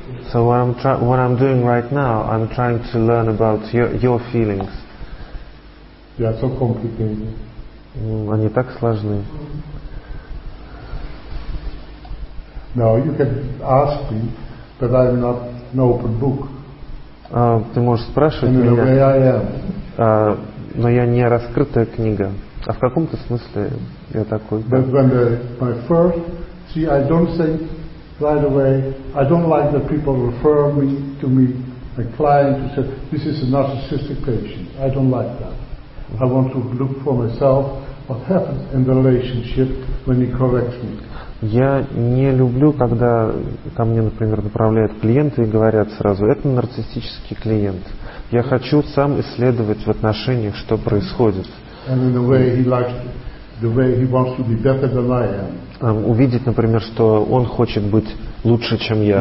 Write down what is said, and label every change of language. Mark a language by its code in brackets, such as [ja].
[en] So what I'm doing right now, I'm trying to learn about your feelings. Yeah, so complicated. [ru] Они так сложны. [en] No, you can ask me, but I'm not an open book. [ru] Ты можешь спрашивать меня. [en] In a way, I am. [ru] Но я не раскрытая книга. А в каком-то смысле я такой. [en] But when my first, see, I don't say right away. I don't like that people refer me to me a client to say this is a narcissistic patient. I don't like that. I want to look for myself. What happens in the relationship when he corrects me? [ru] Я не люблю, когда ко мне, например, направляют клиенты и говорят сразу: это нарциссический клиент. Я хочу сам исследовать в отношениях, что происходит. [en] And in the way he likes, the way he wants to be better than I am. [ru] Увидеть, например, что он хочет быть лучше, чем я.